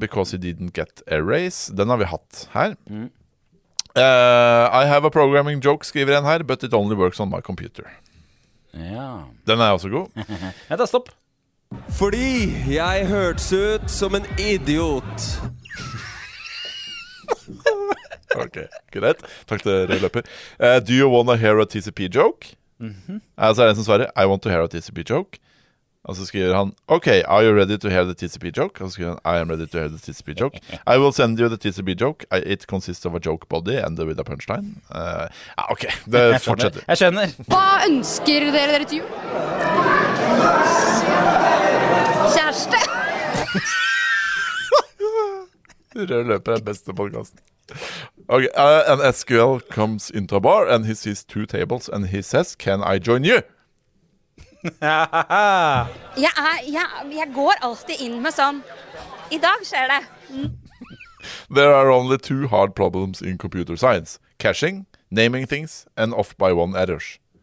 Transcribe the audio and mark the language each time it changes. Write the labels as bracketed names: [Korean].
[English] Because he didn't get a raise. [Norwegian] Den har vi hatt her. [English] I have a programming joke, [Norwegian] skriver en her, [English] but it only works on my computer. [Norwegian] Ja. Den også god. Jeg tar stopp. Fordi jeg hørtes ut som en idiot. Ok, greit. Takk til dere løper. [English] Do you want to hear a TCP joke? Mm-hmm. [Norwegian] Så en som svarer, [English] I want to hear a TCP joke. [Norwegian] Og så skriver han, ok, [English] are you ready to hear the TCP joke? [Norwegian] Og så skriver han, [English] I am ready to hear the TCP joke. I will send you the TCP joke. It consists of a joke body and with a punchline. [Norwegian] Ok, det fortsetter. Jeg skjønner. Hva ønsker dere dere til jul? Kjæreste. Rød løper er beste podcasten. [English] Ok, an SQL comes into a bar and he sees two tables and he says, can I join you? [Norwegian] Jeg går alltid inn med sånn I dag skjer det [English] There are only two hard problems in computer science Caching, naming things, and off by one errors